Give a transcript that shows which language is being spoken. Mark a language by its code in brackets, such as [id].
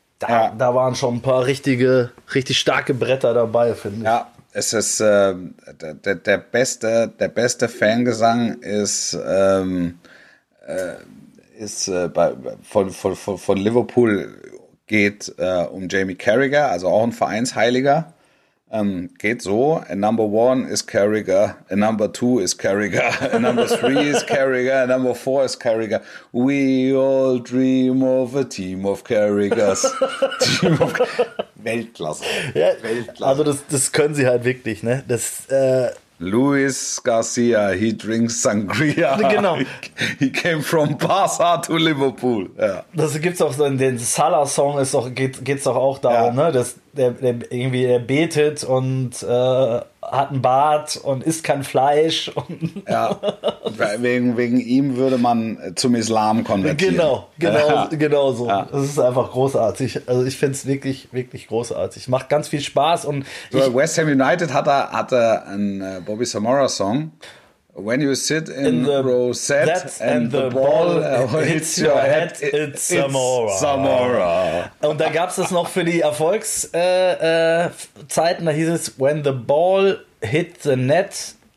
[de] Da waren schon ein paar richtig starke Bretter dabei, finde ich. Ja, es ist der beste Fangesang ist von Liverpool geht um Jamie Carragher, also auch ein Vereinsheiliger. Geht so: [en] a number one is Carragher, a number two is Carragher, a number three is Carragher, a number four is Carragher. We all dream of a team of Carraghers. [de] Weltklasse. Ja, Weltklasse. Also das können sie halt wirklich, ne? [en] Luis Garcia, he drinks Sangria. [de] Genau. [en] He came from Barca to Liverpool. [de] Ja. Das gibt's auch so in den Salah-Song, geht's doch auch darum, ne? Dass der betet und hat einen Bart und isst kein Fleisch. Und wegen ihm würde man zum Islam konvertieren. Genau so. Ja. Das ist einfach großartig. Also ich finde es wirklich, wirklich großartig. Macht ganz viel Spaß. Und West Ham United hatte einen Bobby Samora-Song. [en] When you sit in the rosette and the ball hits your head, it's Zamora. Zamora. [de] Und da gab es das noch für die Erfolgszeiten, da hieß es, [en] when the ball hit the net.